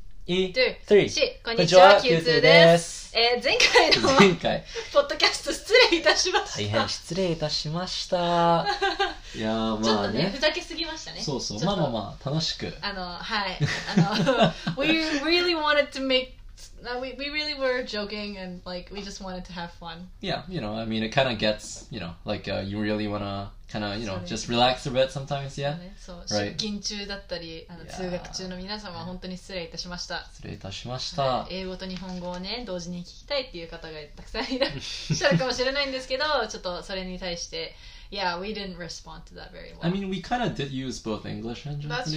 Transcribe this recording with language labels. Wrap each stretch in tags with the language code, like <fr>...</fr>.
<ja>1、2、3、こんにちは、キュウツーです。前回の前回ポッドキャスト失礼いたしました。大変失礼いたしました。いやまあ、ね、ちょっとねふざけすぎましたね。そうそう、まあまあまあ楽しく、</ja> <en>あのはい、あのWe really wanted to make、we really were joking and like we just wanted to have fun. Yeah, you know, I mean it kind of gets, you know, like、you really wanna kind of, you know, just relax a bit sometimes, yeah?</en> <ja>そう、right. 出勤中だったり、あの、通学中の皆様、本当に失礼いたしました。失礼いたしました。はい、英語と日本語をね、同時に聞きたいっていう方がたくさんいらっしゃるかもしれないんですけど、ちょっとそれに対して、</ja> <en>Yeah, we didn't respond to that very well. I mean, we kind of did use both English and Japanese.</en>